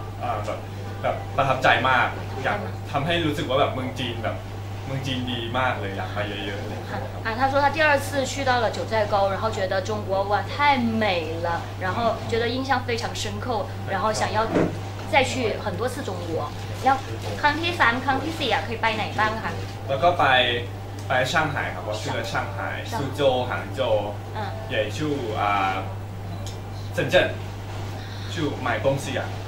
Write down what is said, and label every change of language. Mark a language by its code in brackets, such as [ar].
[th] 啊，แบบประทับใจมาก อยากทำให้รู้สึกว่าแบบเมืองจีนแบบเมืองจีนดีมากเลยอยากไปเยอะ [zh] ๆ他说他第二次去到了九寨沟，然后觉得中国哇太美了，然后觉得印象非常深刻，然后想要再去很多次中国。 [th] แล้วครั้งที่3ครั้งที่4อ่ะเคยไปไหนบ้างคะ แล้วก็ไปเซี่ยงไฮ้ครับว่าชื่อเซี่ยงไฮ้ซูโจวหางโจวเย่ยชู่เซินเจิ้นชู่ [zh] 买东西啊